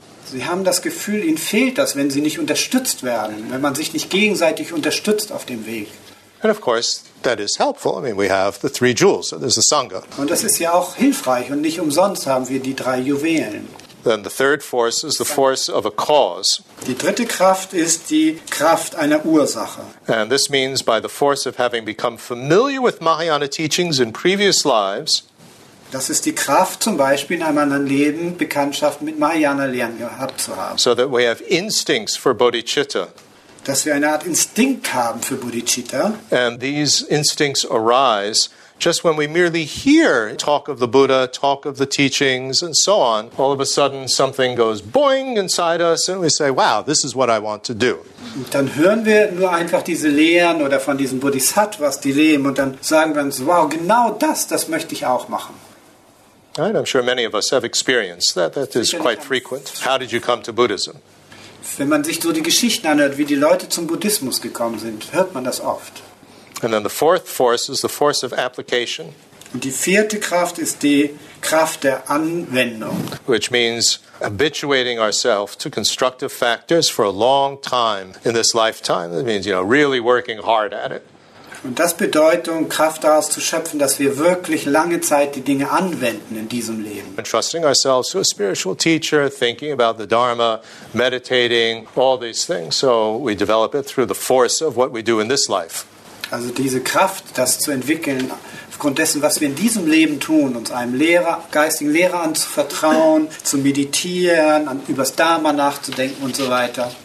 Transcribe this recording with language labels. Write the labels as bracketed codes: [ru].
[de] Sie haben das Gefühl, ihnen fehlt das, wenn sie nicht unterstützt werden, wenn man sich nicht gegenseitig unterstützt auf dem Weg. [en] And of course, that is helpful. I mean, we have the three jewels, so there's the Sangha. [de] Und das ist ja auch hilfreich und nicht umsonst haben wir die drei Juwelen. [en] Then the third force is the force of a cause. [de] Die dritte Kraft ist die Kraft einer Ursache. [en] And this means by the force of having become familiar with Mahayana teachings in previous lives. [de] Das ist die Kraft, zum Beispiel in einem anderen Leben Bekanntschaft mit Mahayana-Lehren gehabt zu haben. [en] So that we have instincts for bodhicitta. [de] Dass wir eine Art Instinkt haben für bodhicitta. [en] And these instincts arise just when we merely hear talk of the Buddha, talk of the teachings and so on. All of a sudden something goes boing inside us and we say, wow, this is what I want to do. [de] Und dann hören wir nur einfach diese Lehren oder von diesen Bodhisattvas, die leben und dann sagen wir uns, wow, genau das möchte ich auch machen. [en] Right, I'm sure many of us have experienced that. That is quite frequent. How did you come to Buddhism? [de] Wenn man sich so die Geschichten anhört, wie die Leute zum Buddhismus gekommen sind, hört man das oft. [en] And then the fourth force is the force of application. [de] Und die vierte Kraft ist die Kraft der Anwendung. [en] Which means habituating ourselves to constructive factors for a long time in this lifetime. That means, you know, really working hard at it. [de] Und das bedeutet, Kraft daraus zu schöpfen, dass wir wirklich lange Zeit die Dinge anwenden in diesem Leben. [en] Entrusting ourselves to a spiritual teacher, thinking about the Dharma, meditating, all these things. So we develop it through the force of what we do in this life. [de] Also diese Kraft, das zu entwickeln, aufgrund dessen, was wir in diesem Leben tun, uns einem Lehrer, geistigen Lehrer anzuvertrauen, zu meditieren, über das Dharma nachzudenken und so weiter.